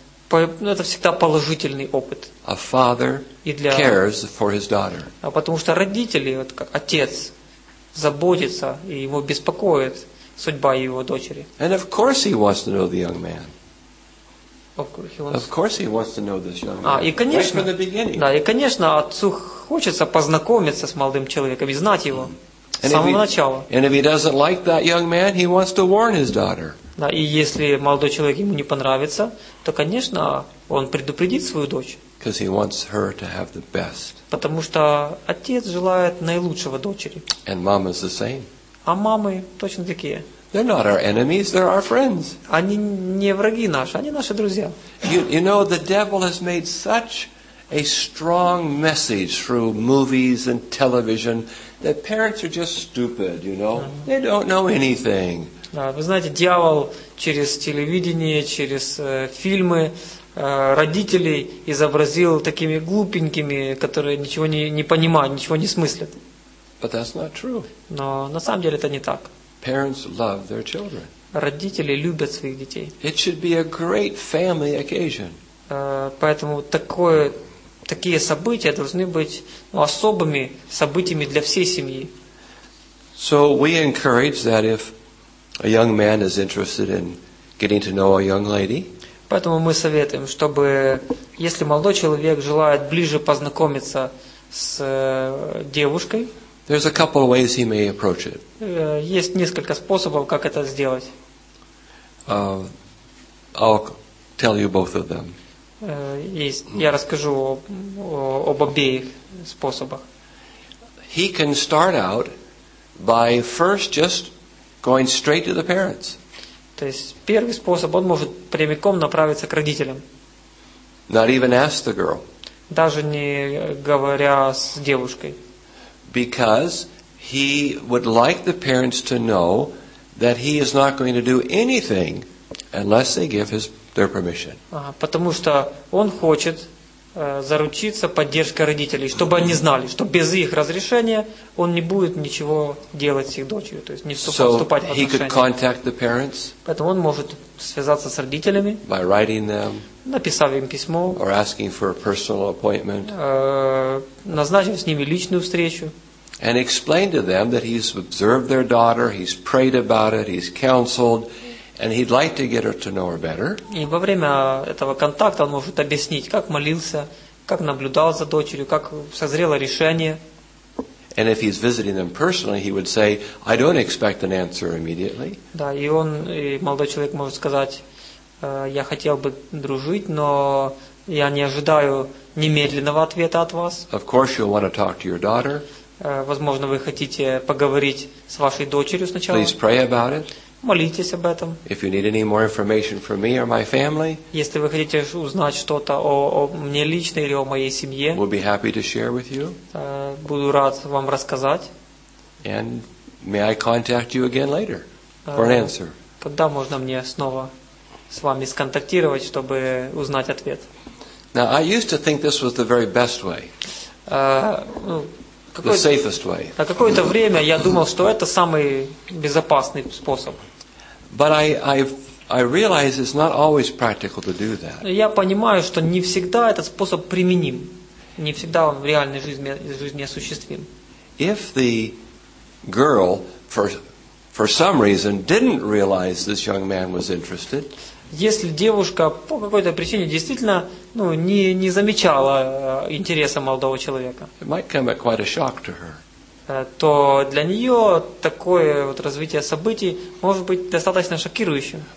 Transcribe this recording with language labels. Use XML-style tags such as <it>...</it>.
<ru>Это всегда положительный опыт.</ru> <en>A father cares for his daughter.</en> <ru>Потому что родители, вот как отец, заботится и его беспокоит судьба его дочери.</ru> <en>And of course he wants to know the young man. Of course he wants to know this young man.</en> <ru>И конечно,</ru> <en>right from the beginning.</en> <ru>Да, и конечно, отцу хочется познакомиться с молодым человеком и знать его с самого начала.</ru> <en>And if he doesn't like that young man, he wants to warn his daughter.</en> <ru>Да, и если молодой человек ему не понравится, то, конечно, он предупредит свою дочь. Потому что отец желает наилучшего дочери.</ru> <en>And mama's the same.</en> <ru>А мамы точно такие.</ru> <en>They're not our enemies, they're our friends.</en> <ru>Они не враги наши, они наши друзья.</ru> <en>You know, the devil has made such a strong message through movies and television that parents are just stupid, you know. They don't know anything.</en> <ru>Да, вы знаете, дьявол через телевидение, через фильмы родителей изобразил такими глупенькими, которые ничего не понимают, ничего не смыслят.</ru> <en>But that's not true.</en> <ru>Но на самом деле это не так.</ru> <en>Parents love their children.</en> <ru>Родители любят своих детей.</ru> <en>It should be a great family occasion.</en> <ru>Поэтому такие события должны быть, ну, особыми событиями для всей семьи.</ru> <en>So we encourage that if a young man is interested in getting to know a young lady.</en> <ru>Поэтому мы советуем, чтобы если молодой человек желает ближе познакомиться с девушкой.</ru> <en>There's a couple of ways he may approach it.</en> <ru>Есть несколько способов, как это сделать.</ru> <en>I'll tell you both of them.</en> <ru>Я расскажу об обеих способах.</ru> <en>He can start out by first just going straight to the parents.</en> <ru>То есть первый способ, он может прямиком направиться к родителям.</ru> <en>Not even ask the girl.</en> <ru>Даже не говоря с девушкой.</ru> <en>Because he would like the parents to know that he is not going to do anything unless they give their permission.</en> <ru>Потому что он хочет заручиться поддержкой родителей, чтобы они знали, что без их разрешения он не будет ничего делать с их дочерью, то есть не вступать в отношения.</ru> <en>So he could contact the parents.</en> <ru>Поэтому он может связаться с родителями.</ru> <en>By writing them.</en> <ru>Написав им письмо.</ru> <en>Or asking for a personal appointment.</en> <ru>Назначив с ними личную встречу.</ru> <en>And explain to them that he's observed their daughter, he's prayed about it, he's counseled. And he'd like to get her to know her better.</en> <ru>И во время этого контакта он может объяснить, как молился, как наблюдал за дочерью, как созрело решение.</ru> <en>And if he's visiting them personally, he would say, "I don't expect an answer immediately."</en> <ru>Да, и молодой человек может сказать: "Я хотел бы дружить, но я не ожидаю немедленного ответа от вас."</ru> <en>Of course, you'll want to talk to your daughter.</en> <ru>Возможно, вы хотите поговорить с вашей дочерью сначала.</ru> <en>Please pray about it.</en> <ru>Молитесь об этом.</ru> <en>If you need any more information from me or my family,</en> <ru>если вы хотите узнать что-то о мне лично или о моей семье,</ru> <en>we'll be happy to share with you.</en> <ru>Буду рад вам рассказать.</ru> <en>And may I contact you again later for an answer?</en> <ru>Когда можно мне снова с вами сконтактировать, чтобы узнать ответ?</ru> <en>Now I used to think this was the very best way. The safest way.</en> <ru>На какое-то время я думал, что это самый безопасный способ.</ru> <en>But I realize it's not always practical to do that.</en> <ru>Я понимаю, что не всегда этот способ применим, не всегда он в реальной жизни осуществим.</ru> <en>If the girl for some reason didn't realize this young man was interested.</en> <ru>Если девушка по какой-то причине действительно, ну, не замечала интереса молодого человека,</ru> <en>it might come at quite a shock to her.</en> <ru>То для нее такое вот развитие событий может быть достаточно шокирующим,</ru>